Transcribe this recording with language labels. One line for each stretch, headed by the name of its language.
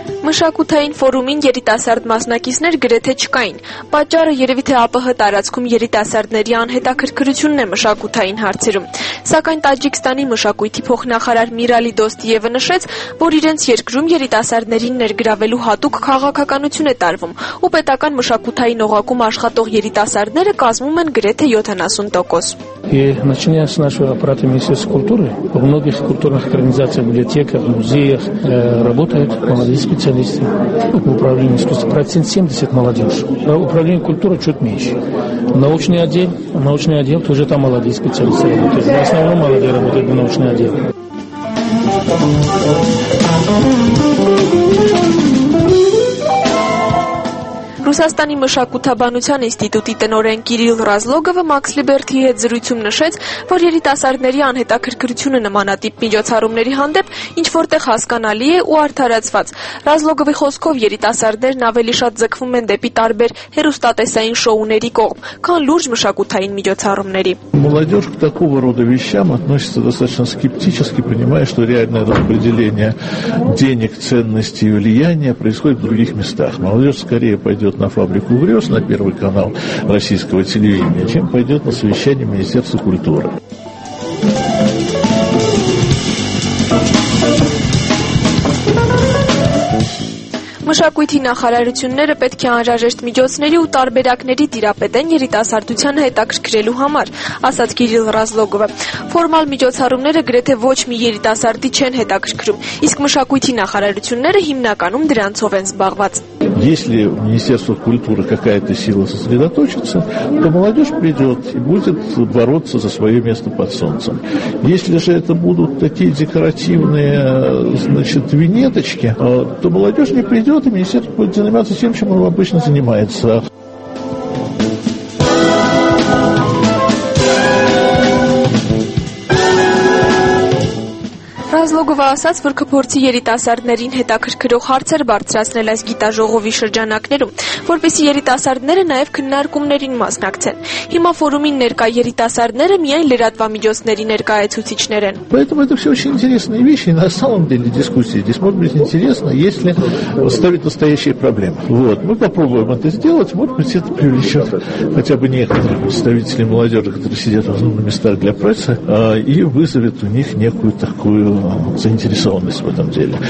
Armenian: Մշակութային ֆորումին երիտասարդ մասնակիցներ գրեթե չկային։ Պատճառը երևի թե ԱՊՀ տարածքում երիտասարդների անհետաքրքրությունն է մշակութային հարցերում։ Սակայն Տաջիկստանի մշակույթի փոխնախարար Միրալի Դոստիևը նշեց, որ իրենց երկրում երիտասարդներին ներգրավելու հատուկ քաղաքականություն է տարվում, ու պետական մշակութային օղակում աշխատող երիտասարդները կազմում են գրեթե 70%։
Russian: И начиная с нашего аппарата Министерства культуры, во многих культурных организациях, библиотеках, музеях работают молодые специалисты в управлении искусством. Процент 70 молодежь. Управление культурой чуть меньше. Научный отдел тоже там молодые специалисты работают. В основном молодые работают в научном отделе.
Armenian: Ռուսաստանի մշակութաբանության ինստիտուտի տնօրեն Կիրիլ Ռազլոգովը Մաքս Լիբերթի հետ զրույցում նշեց, որ երիտասարդների անհետաքրքրությունը նմանատիպ միջոցառումների հանդեպ ինչ որտեղ հասկանալի է ու արդարացված։ Ռազլոգովի խոսքով երիտասարդներն ավելի շատ ձգվում են դեպի տարբեր հեռուստատեսային շոուների կողմ, քան լուրջ մշակութային միջոցառումների։
Russian: Молодёжь к такого рода вещам относится достаточно скептически, понимая, что реальное распределение денег, ценностей и влияния происходит в других местах. Молодёжь скорее пойдет на фабрику грез, на первый канал российского телевидения, чем пойдет на совещание Министерства культуры.
Armenian: Մշակույթի նախարարությունները պետք է անհրաժեշտ միջոցների ու տարբերակների տիրապետեն երիտասարդության հետաքրքրելու համար, ասաց Գիրիլ Ռազլոգովը։ Ֆորմալ միջոցառումները գրեթե ոչ մի երիտասարդի չեն հետաքրքրում, իսկ մշակույթի նախարարությունները հիմնականում դրանցով են զբաղված։
Russian: Если в Министерство культуры какая-то сила сосредоточится, то молодежь придет и будет бороться за свое место под солнцем. Если же это будут такие декоративные, значит, винеточки, то молодежь не придет, и Министерство будет заниматься тем, чем оно обычно занимается.
Armenian: Ռազլոգովը ասաց, որ կփորձի երիտասարդներին հետաքրքրող հարցեր բարձրացնել այս գիտաժողովի շրջանակներում, որպեսզի երիտասարդները նաև քննարկումներին մասնակցեն։ Հիմա ֆորումին ներկա երիտասարդները միայն լրատվամիջոցների ներկայացուցիչներ են։
Russian: Поэтому это всё очень интересные вещи, на самом деле дискуссии. Здесь может быть интересно, если ставить настоящие проблемы. Вот, мы попробуем это сделать, может быть, это привлечёт хотя бы некоторых представителей молодёжи, которые сидят в основных местах для прессы, и вызовет у них некую такую заинтересованность в этом деле.